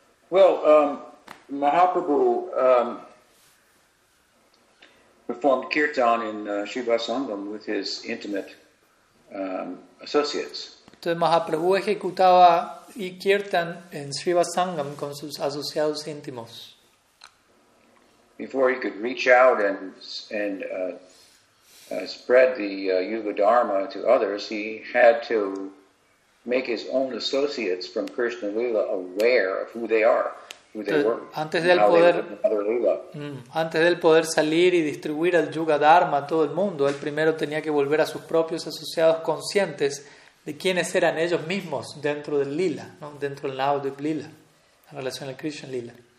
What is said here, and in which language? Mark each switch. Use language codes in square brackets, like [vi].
[en] Well, Mahaprabhu performed kirtan in Shiva Sangam with his intimate associates. [es] Entonces Mahaprabhu ejecutaba y kirtan en Shiva Sangam con sus asociados íntimos. [en] Before he could reach out and spread the Yuga Dharma to others, he had to make his own associates from Krishna Lila aware of who they are. [es] Antes del poder salir y distribuir el Yuga Dharma a todo el mundo, él primero tenía que volver a sus propios asociados conscientes de quiénes eran ellos mismos dentro del Lila, ¿no? Dentro del Nava Dvipa Lila, en relación al Krishna Lila.